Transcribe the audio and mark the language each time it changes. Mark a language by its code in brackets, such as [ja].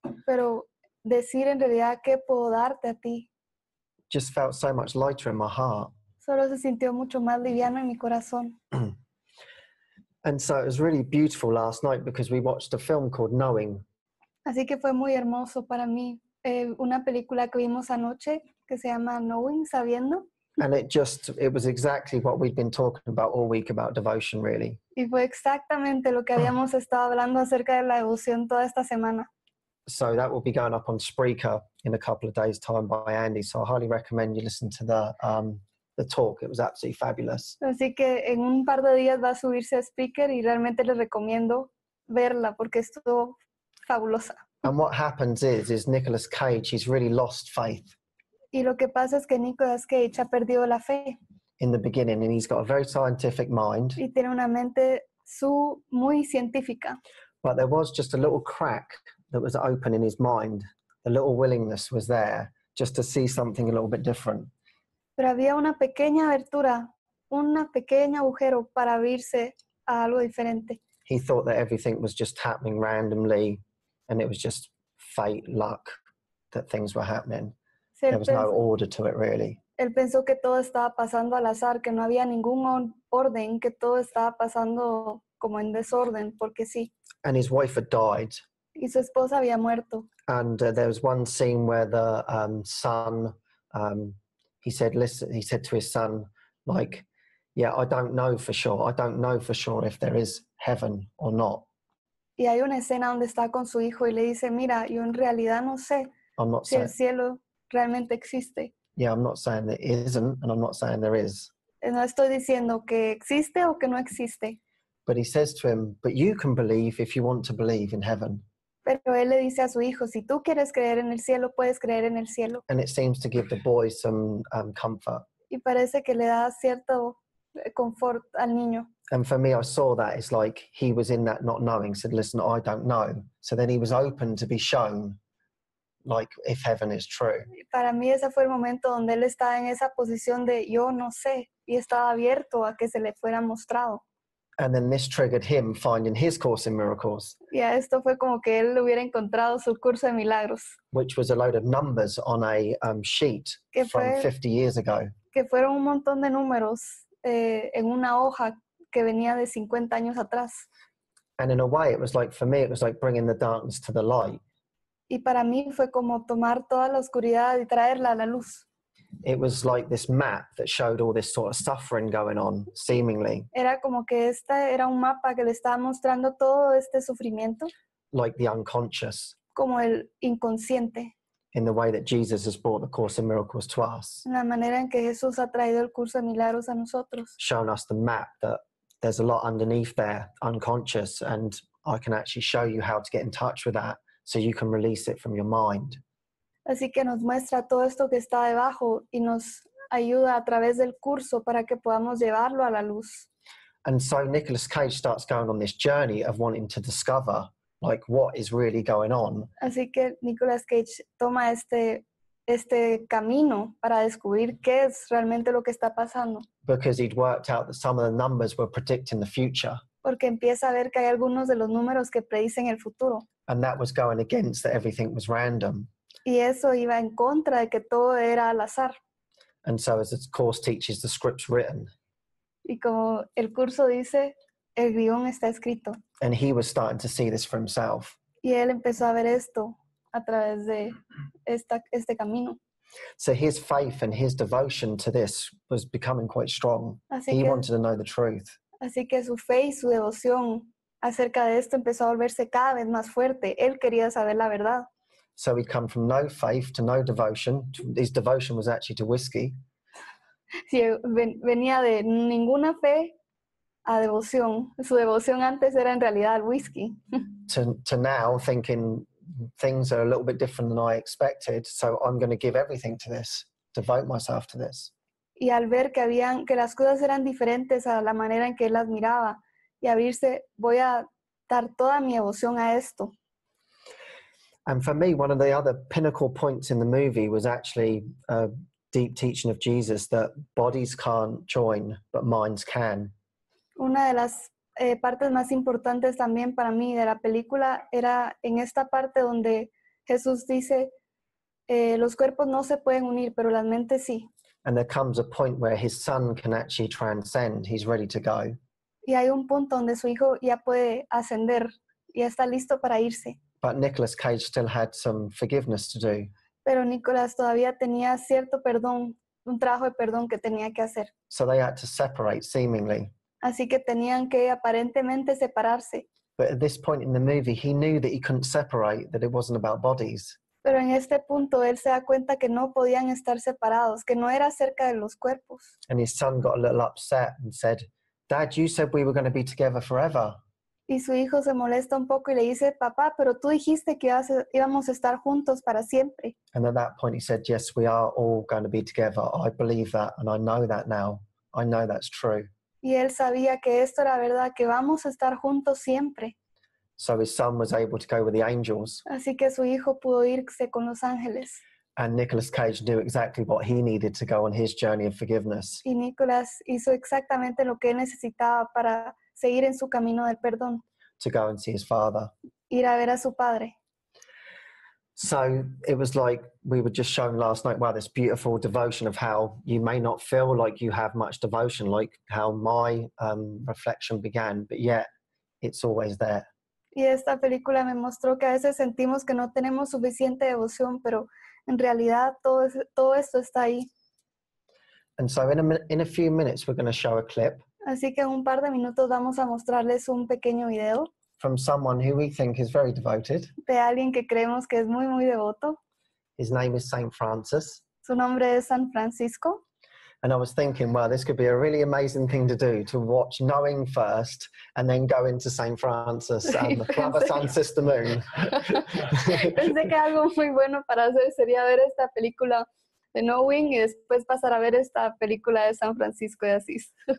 [es] Pero decir en realidad, ¿qué puedo darte a ti? [en] Just felt so much lighter in my heart. [es] Solo se sintió mucho más liviano en mi corazón. [en] And so it was really beautiful last night because we watched a film called Knowing. [es] Así que fue muy hermoso para mí. Una película que vimos anoche que se llama Knowing, Sabiendo. [en] And it was exactly what we'd been talking about all week about devotion, really. [es] Y fue exactamente lo que habíamos estado hablando acerca de la devoción toda esta semana. [en] So that will be going up on Spreaker in a couple of days' time by Andy. So I highly recommend you listen to the talk, it was absolutely fabulous. [es] Así que en un par de días va a subirse a speaker y realmente les recomiendo verla porque estuvo fabulosa. [en] And what happens is Nicolas Cage, he's really lost faith. [es] Y lo que pasa es que Nicolas Cage ha perdido la fe. [en] In the beginning, and he's got a very scientific mind. [es] Y tiene una mente muy científica. [en] But there was just a little crack that was open in his mind. A little willingness was there just to see something a little bit different. [es] Pero había una pequeña abertura, una pequeña agujero para abrirse a algo diferente. [en] He thought that everything was just happening randomly and it was just fate, luck, that things were happening. There was no order to it really. [es] Él pensó que todo estaba pasando al azar, que no había ningún orden, que todo estaba pasando como en desorden, porque sí. [en] And his wife had died. [es] Y su esposa había muerto. [en] And there was one scene where the son, he said to his son, like, yeah, I don't know for sure. I don't know for sure if there is heaven or not. [es] Y hay una escena donde está con su hijo y le dice, mira, yo en realidad no sé si el cielo realmente existe. [en] Yeah, I'm not saying there isn't, and I'm not saying there is. [es] No estoy diciendo que existe o que no existe. [en] But he says to him, but you can believe if you want to believe in heaven. [es] Pero él le dice a su hijo, si tú quieres creer en el cielo, puedes creer en el cielo. [en] And it seems to give the boy some comfort. [es] Y parece que le da cierto confort al niño. [en] And for me, I saw that. It's like he was in that not knowing, said, listen, I don't know. So then he was open to be shown, like, if heaven is true. [es] Para mí ese fue el momento donde él estaba en esa posición de yo no sé y estaba abierto a que se le fuera mostrado. [en] And then this triggered him finding his course in miracles. [es] Yeah, esto fue como que él hubiera encontrado su curso de milagros. [en] Which was a load of numbers on a sheet from 50 years ago. [es] Que fueron un montón de números en una hoja que venía de 50 años atrás. [en] And in a way, it was like, for me, it was like bringing the darkness to the light. [es] Y para mí fue como tomar toda la oscuridad y traerla a la luz. [en] It was like this map that showed all this sort of suffering going on, seemingly. [es] Era como que este era un mapa que le estaba mostrando todo este sufrimiento. [en] Like the unconscious. [es] Como el inconsciente. [en] In the way that Jesus has brought the Course in Miracles to us. [es] En la manera en que Jesús ha traído el curso de milagros a nosotros. [en] Showing us the map that there's a lot underneath there, unconscious, and I can actually show you how to get in touch with that so you can release it from your mind. [es] Así que nos muestra todo esto que está debajo y nos ayuda a través del curso para que podamos llevarlo a la luz. [en] And so Nicolas Cage starts going on this journey of wanting to discover, like, what is really going on. [es] Así que Nicolas Cage toma este camino para descubrir qué es realmente lo que está pasando. [en] Because he'd worked out that some of the numbers were predicting the future. [es] Porque empieza a ver que hay algunos de los números que predicen el futuro. [en] And that was going against that everything was random. [es] Y eso iba en contra de que todo era al azar. [en] And so as the course teaches, the script's written. [es] Y como el curso dice, el guión está escrito. [en] And he was starting to see this for himself. [es] Y él empezó a ver esto a través de este camino. [en] So his faith and his devotion to this was becoming quite strong. He wanted to know the truth. [es] Así que su fe y su devoción acerca de esto empezó a volverse cada vez más fuerte. Él quería saber la verdad. [en] So he'd come from no faith to no devotion. His devotion was actually to whiskey. [es] Sí, venía de ninguna fe a devoción. Su devoción antes era en realidad al whisky. [en] To now thinking things are a little bit different than I expected, so I'm going to give everything to this, devote myself to this. [es] Y al ver que las cosas eran diferentes a la manera en que él las miraba y abrirse, voy a dar toda mi devoción a esto. [en] And for me, one of the other pinnacle points in the movie was actually a deep teaching of Jesus that bodies can't join, but minds can. [es] Una de las partes más importantes también para mí de la película era en esta parte donde Jesús dice, los cuerpos no se pueden unir, pero las mentes sí. [en] And there comes a point where his son can actually transcend. He's ready to go. [es] Y hay un punto donde su hijo ya puede ascender y está listo para irse. [en] But Nicolas Cage still had some forgiveness to do. [es] Pero Nicolas todavía tenía cierto perdón, un trabajo de perdón que tenía que hacer. [en] So they had to separate, seemingly. [es] Así que tenían que aparentemente separarse. [en] But at this point in the movie, he knew that he couldn't separate, that it wasn't about bodies. [es] Pero en este punto, él se da cuenta que no podían estar separados, que no era acerca de los cuerpos. [en] And his son got a little upset and said, Dad, you said we were going to be together forever. [es] Y su hijo se molesta un poco y le dice, papá, pero tú dijiste que íbamos a estar juntos para siempre. [en] And at that point he said, yes, we are all going to be together. I believe that and I know that now. I know that's true. [es] Y él sabía que esto era verdad, que vamos a estar juntos siempre. [en] So his son was able to go with the angels. [es] Así que su hijo pudo irse con los ángeles. [en] And Nicolas Cage knew exactly what he needed to go on his journey of forgiveness. [es] Y Nicolas hizo exactamente lo que él necesitaba para seguir en su camino del perdón. [en] To go and see his father. [es] Ir a ver a su padre. [en] So it was like we were just shown last night, wow, this beautiful devotion of how you may not feel like you have much devotion, like how my reflection began, but yet it's always there. [es] Y esta película me mostró que a veces sentimos que no tenemos suficiente devoción, pero en realidad todo esto está ahí. [en] And so in a few minutes we're going to show a clip. [es] Así que en un par de minutos vamos a mostrarles un pequeño video. [en] From someone who we think is very devoted. [es] De alguien que creemos que es muy muy devoto. [en] His name is Saint Francis. [es] Su nombre es San Francisco. [en] And I was thinking, well, this could be a really amazing thing to do, to watch Knowing first and then go into Saint Francis and the Plover Sun Sister Moon. [es] Pensé que algo muy bueno para hacer sería ver esta película de Knowing y después pasar a ver esta película de San Francisco de Asís.